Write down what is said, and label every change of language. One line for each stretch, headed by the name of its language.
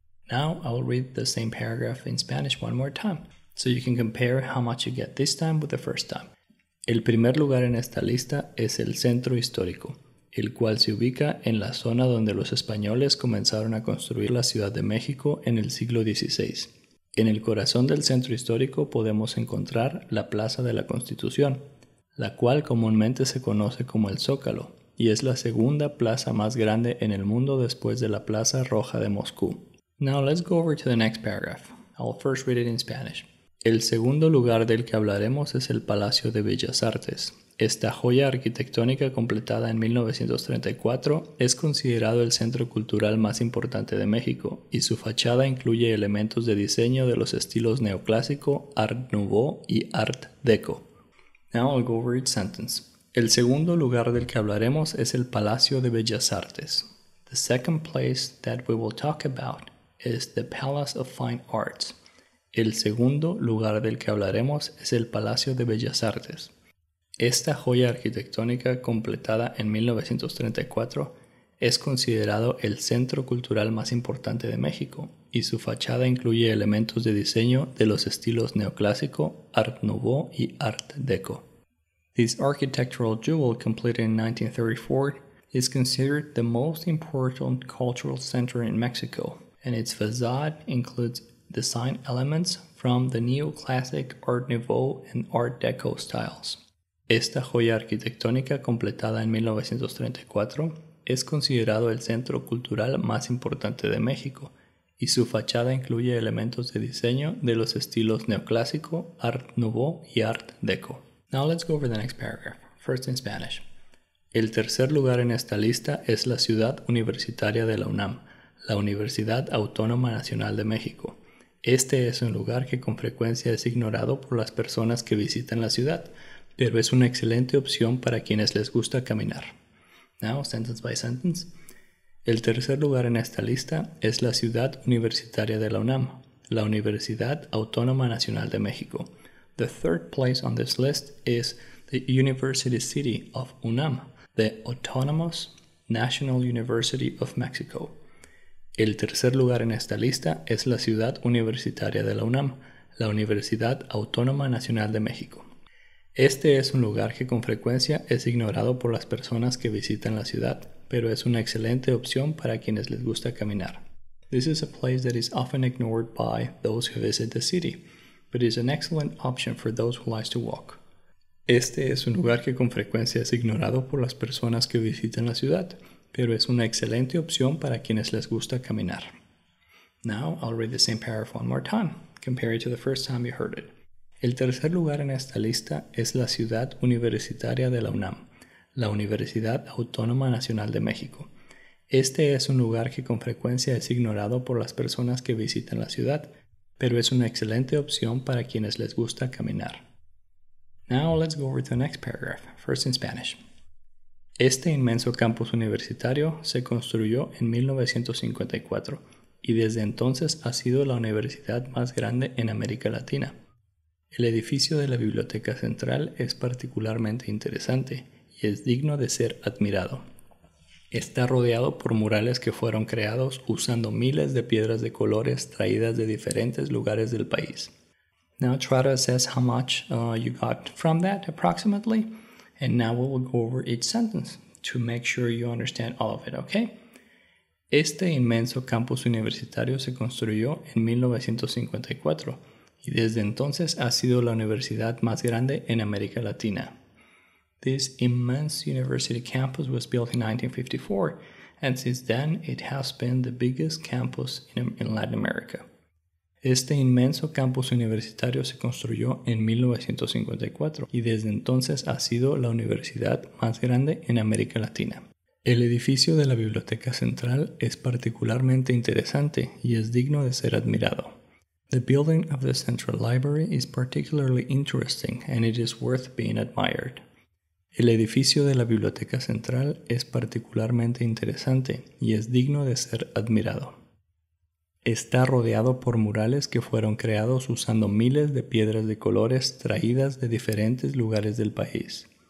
English: Now I will read the same paragraph in Spanish one more time, so you can compare how much you get this time with the first time.
Spanish: El primer lugar en esta lista es el centro histórico, el cual se ubica en la zona donde los españoles comenzaron a construir la Ciudad de México en el siglo XVI. En el corazón del centro histórico podemos encontrar la Plaza de la Constitución, la cual comúnmente se conoce como el Zócalo, y es la segunda plaza más grande en el mundo después de la Plaza Roja de Moscú.
English: Now let's go over to the next paragraph. I'll first read it in Spanish.
Spanish: El segundo lugar del que hablaremos es el Palacio de Bellas Artes. Esta joya arquitectónica completada en 1934 es considerado el centro cultural más importante de México y su fachada incluye elementos de diseño de los estilos neoclásico, Art Nouveau y Art Deco.
English: Now I'll go over each sentence.
Spanish: El segundo lugar del que hablaremos es el Palacio de Bellas Artes.
English: The second place that we will talk about is the Palace of Fine Arts.
Spanish: El segundo lugar del que hablaremos es el Palacio de Bellas Artes. Esta joya arquitectónica completada en 1934 es considerado el centro cultural más importante de México y su fachada incluye elementos de diseño de los estilos neoclásico, Art Nouveau y Art Deco.
English: This architectural jewel completed in 1934 is considered the most important cultural center in Mexico and its facade includes design elements from the neoclassic Art Nouveau and Art Deco styles.
Spanish: Esta joya arquitectónica completada en 1934 es considerado el centro cultural más importante de México y su fachada incluye elementos de diseño de los estilos neoclásico, Art Nouveau y Art Deco.
English: Now let's go over the next paragraph, first in Spanish.
Spanish: El tercer lugar en esta lista es la Ciudad Universitaria de la UNAM, la Universidad Autónoma Nacional de México. Este es un lugar que con frecuencia es ignorado por las personas que visitan la ciudad, pero es una excelente opción para quienes les gusta caminar.
English: Now, sentence by sentence.
Spanish: El tercer lugar en esta lista es la Ciudad Universitaria de la UNAM, la Universidad Autónoma Nacional de México.
English: The third place on this list is the University City of UNAM, the Autonomous National University of Mexico.
Spanish: El tercer lugar en esta lista es la Ciudad Universitaria de la UNAM, la Universidad Autónoma Nacional de México. Este es un lugar que con frecuencia es ignorado por las personas que visitan la ciudad, pero es una excelente opción para quienes les gusta caminar.
English: This is a place that is often ignored by those who visit the city, but is an excellent option for those who like to walk.
Spanish: Este es un lugar que con frecuencia es ignorado por las personas que visitan la ciudad, pero es una excelente opción para quienes les gusta caminar.
English: Now, I'll read the same paragraph one more time, compare it to the first time you heard it.
Spanish: El tercer lugar en esta lista es la Ciudad Universitaria de la UNAM, la Universidad Autónoma Nacional de México. Este es un lugar que con frecuencia es ignorado por las personas que visitan la ciudad, pero es una excelente opción para quienes les gusta caminar.
English: Now let's go over to the next paragraph, first in Spanish.
Spanish: Este inmenso campus universitario se construyó en 1954 y desde entonces ha sido la universidad más grande en América Latina. El edificio de la Biblioteca Central es particularmente interesante y es digno de ser admirado. Está rodeado por murales que fueron creados usando miles de piedras de colores traídas de diferentes lugares del país.
English: Now try to assess how much you got from that approximately, and now we will go over each sentence to make sure you understand all of it, okay?
Spanish: Este inmenso campus universitario se construyó en 1954. Y desde entonces ha sido la universidad más grande en América Latina.
English: This immense university campus was built in 1954, and since then it has been the biggest campus in Latin America.
Spanish: Este inmenso campus universitario se construyó en 1954, y desde entonces ha sido la universidad más grande en América Latina. El edificio de la Biblioteca Central es particularmente interesante y es digno de ser admirado.
English: The building of the Central Library is particularly interesting and it is worth being admired.
Spanish: El edificio de la Biblioteca Central es particularmente interesante y es digno de ser admirado. Está rodeado por murales que fueron creados usando miles de piedras de colores traídas de diferentes lugares del país.